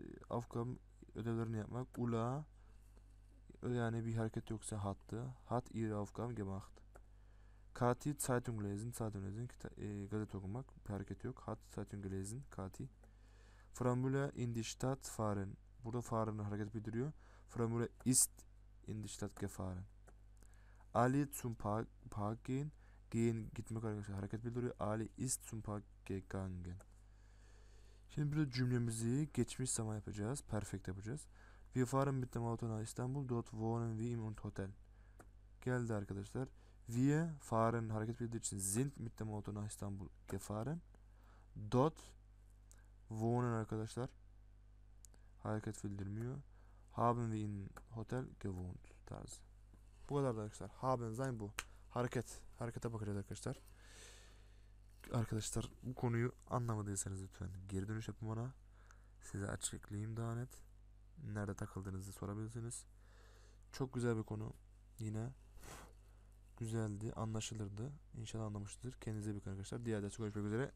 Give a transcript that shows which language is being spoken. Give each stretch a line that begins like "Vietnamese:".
Turkish: Aufgaben ödevlerini yapmak. Ula yani bir hareket yoksa hattı.
German: Hat ihre Aufgaben gemacht. Kati Zeitung lesen. Zeitung lesen.
Turkish: Gazete okumak. Bir hareket yok.
German: Hat Zeitung gelesen. Kati. Frambula in die Stadt fahren.
Turkish: Burada fahren hareket bildiriyor.
German: Frambula ist in die Stadt gefahren. Ali zum Park gehen.
Turkish: Gehen gitmek arkadaşlar hareket bildiriyor.
German: Ali ist zum Park gegangen.
Turkish: Şimdi bir de cümlemizi geçmiş zaman yapacağız. Perfect yapacağız.
German: Wir fahren mit dem Auto nach Istanbul. Dort wohnen wir im Hotel.
Turkish: Geldi arkadaşlar.
German: Wir fahren
Turkish: hareket bildirdiği için
German: sind mit dem Auto nach Istanbul gefahren. Dort wohnen
Turkish: arkadaşlar. Hareket bildirmiyor.
German: Haben wir in Hotel gewohnt tarzı.
Turkish: Bu kadar da arkadaşlar. Haben sein bu. Hareket. Harekete bakacağız arkadaşlar. Arkadaşlar bu konuyu anlamadıysanız lütfen geri dönüş yapın bana. Size açıklayayım daha net. Nerede takıldığınızı sorabilirsiniz. Çok güzel bir konu. Yine güzeldi. Anlaşılırdı. İnşallah anlamışsınızdır. Kendinize iyi bakın arkadaşlar. Diğer derste görüşmek üzere.